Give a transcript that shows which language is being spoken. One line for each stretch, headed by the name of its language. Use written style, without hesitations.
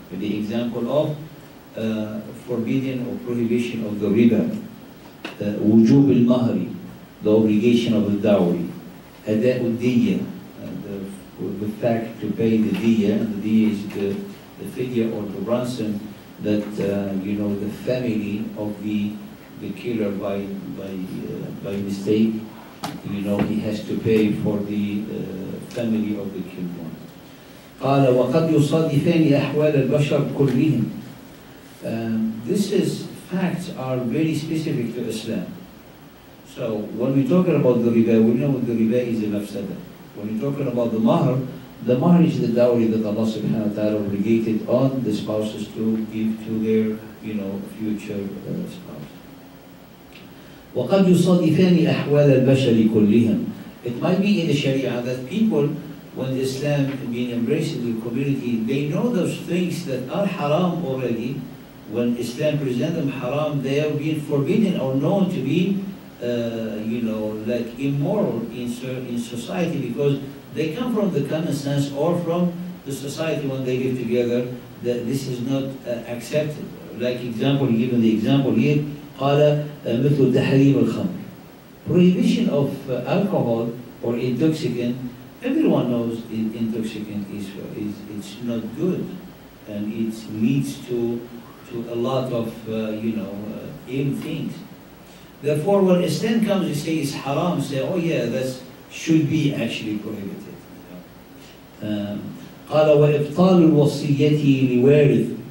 English: The example of forbidden or prohibition of the riba, wujub al-mahri, the obligation of the dowry, ada'u diyya, the fact to pay the diyya, the diyya is the fidya or the ransom that you know the family of the killer by mistake, you know, he has to pay for the family of the killed one.
Arabic: قال وقد يصادفان أحوال البشر كلهم.
English: This is facts are very specific to Islam. So when we talk about the riba, we know the riba is a mafsada. When we talk about the mahr is the dowry that Allah Subhanahu wa Taala obligated on the spouses to give to their, you know, future spouse.
Arabic: وقد يصادفان أحوال البشر كلهم.
English: It might be in the Sharia that people, when Islam being embraced in the community, they know those things that are haram already. When Islam presents them haram, they are being forbidden or known to be, you know, like immoral in society, because they come from the common sense or from the society when they live together, that this is not accepted. Like example, given the example here,
Arabic: قَالَ مِثُ تَحْرِيمُ الْخَمْرِ.
English: Prohibition of alcohol or intoxicant. Everyone knows intoxicant is it's not good, and it leads to a lot of ill things. Therefore, when Islam comes and say it's haram, say, oh yeah, that should be actually prohibited.
Arabic: قال وإبطال الوصية لوارث.